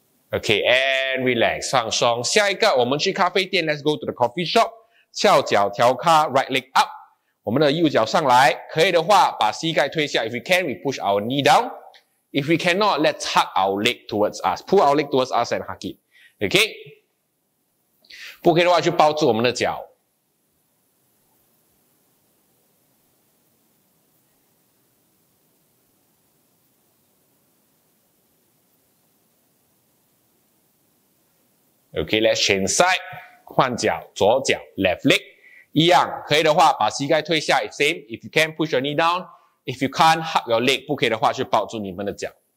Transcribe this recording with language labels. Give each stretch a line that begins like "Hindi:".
English: Okay, and relax,
Chinese: 放松。下一个，我们去咖啡店 ，
English: Let's go to the coffee shop.
Chinese: 翘脚调咖 ，
English: right leg up,
Chinese: 我们的右脚上来。可以的话，把膝盖推下。
English: If we can, we push our knee down. If we cannot, let's hug our leg towards us. Pull our leg towards us and hug it. Okay?
Chinese: 不可以的话，就抱住我们的脚。
English: Okay, let's change side.
Chinese: 换脚，左脚
English: ,left leg.
Chinese: 一样，可以的话，把膝盖推下。
English: Same, if you can, push your knee down. If you can't hug your leg,
Chinese: 不可以的话，就抱住你们的脚。